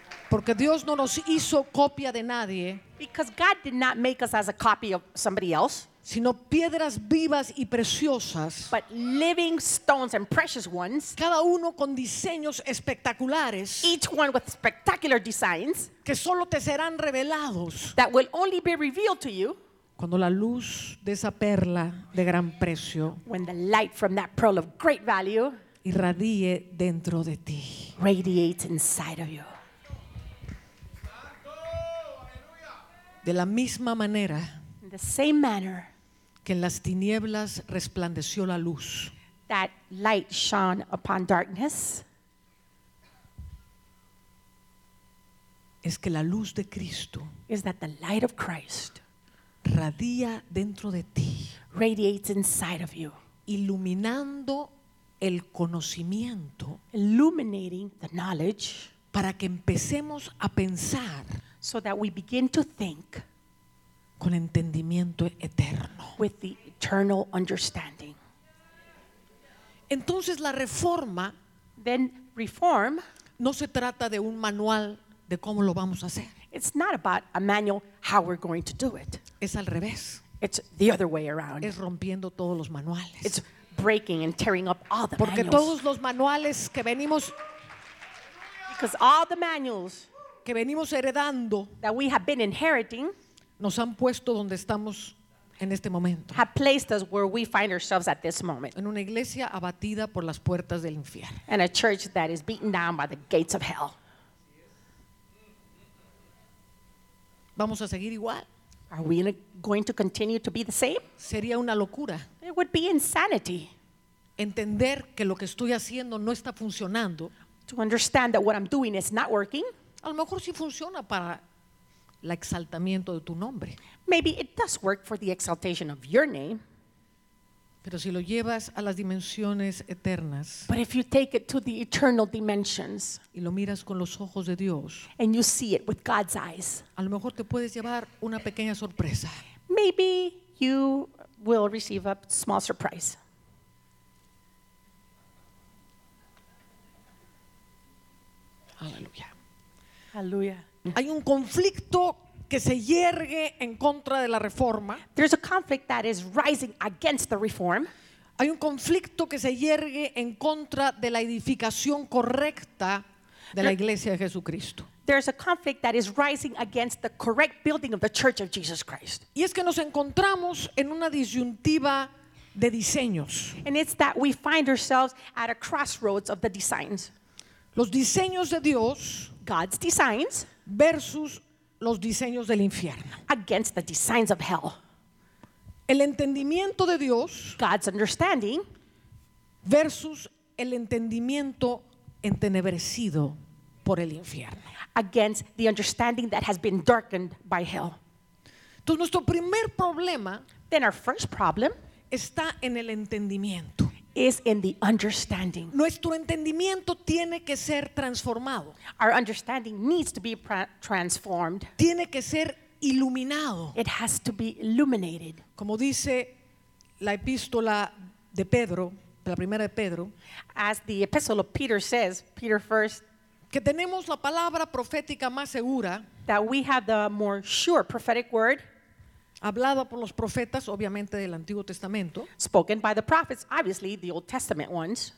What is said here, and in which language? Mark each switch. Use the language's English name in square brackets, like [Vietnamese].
[Spanish] Porque Dios no nos hizo copia de nadie. [English] Because God did not make us as a copy of somebody else. [Spanish] Sino piedras vivas y preciosas. [English] But living stones and precious ones. [Spanish] Cada uno con diseños espectaculares. [English] Each one with spectacular designs. [Spanish] Que solo te serán revelados. [English] That will only be revealed to you. [Spanish] Cuando la luz de esa perla de gran precio. [English] When the light from that pearl of great value. [Spanish] Irradie dentro de ti. [English] Radiates inside of you. [Spanish] De la misma manera, [English] in the same manner, [Spanish] que en las tinieblas resplandeció la luz, [English] that light shone upon darkness, [Spanish] es que la luz de Cristo, [English] is that the light of Christ, [Spanish] radia dentro de ti, [English] radiates inside of you, [Spanish] iluminando el conocimiento, [English] illuminating the knowledge, [Spanish] para que empecemos a pensar, [English] so that we begin to think [Spanish] con entendimiento eterno. [English] With the eternal understanding. [Spanish] Entonces la reforma, [English] then reform, [Spanish] no se trata de un manual de cómo lo vamos a hacer. [English] It's not about a manual how we're going to do it. [Spanish] Es al revés. [English] It's the other way around. [Spanish] Es rompiendo todos los manuales. [English] It's breaking and tearing up all the [Spanish] Porque [English] manuals. [Spanish] Todos los manuales que venimos, [English] because all the manuals [Spanish] que venimos heredando, [English] that we have been inheriting, [Spanish] nos han puesto donde estamos en este momento. [English] Have placed us where we find ourselves at this moment. [Spanish] En una iglesia abatida por las puertas del infierno. [English] And a church that is beaten down by the gates of hell. [Spanish] ¿Vamos a seguir igual? [English] Are we going to continue to be the same? [Spanish] Sería una locura. [English] It would be insanity. [Spanish] Entender que lo que estoy haciendo no está funcionando. [English] To understand that what I'm doing is not working. [Spanish] A lo mejor sí funciona para el exaltamiento de tu nombre. [English] Maybe it does work for the exaltation of your name. [Spanish] Pero si lo llevas a las dimensiones eternas. [English] But if you take it to the eternal dimensions. [Spanish] Y lo miras con los ojos de Dios. [English] And you see it with God's eyes. [Spanish] A lo mejor te puedes llevar una pequeña sorpresa. [English] Maybe you will receive a small surprise. [Spanish] Aleluya. [English] Aleluya. [Spanish] Hay un conflicto que se yergue en contra de la reforma. [English] There's a conflict that is rising against the reform. [Spanish] Hay un conflicto que se yergue en contra de la edificación correcta de la iglesia de Jesucristo. [English] There's a conflict that is rising against the correct building of the church of Jesus Christ. [Spanish] Y es que nos encontramos en una disyuntiva de diseños. [English] And it's that we find ourselves at a crossroads of the designs. [Spanish] Los diseños de Dios, [English] God's designs, [Spanish] versus los diseños del infierno, [English] against the designs of hell. [Spanish] El entendimiento de Dios, [English] God's understanding, [Spanish] versus el entendimiento entenebrecido por el infierno, [English] against the understanding that has been darkened by hell. [Spanish] Entonces nuestro primer problema, [English] then our first problem, [Spanish] está en el entendimiento. [English] Is in the understanding. [Spanish] Nuestro entendimiento tiene que ser transformado. [English] Our understanding needs to be transformed. [Spanish] Tiene que ser iluminado. [English] It has to be illuminated. [Spanish] Como dice la epístola de Pedro, la primera de Pedro. [English] As the epistle of Peter says, Peter first. [Spanish] que tenemos la palabra profética más segura, [English] that we have the more sure prophetic word, [Spanish] hablada por los profetas, obviamente del Antiguo Testamento, [English] spoken by the prophets, obviously the Old Testament ones.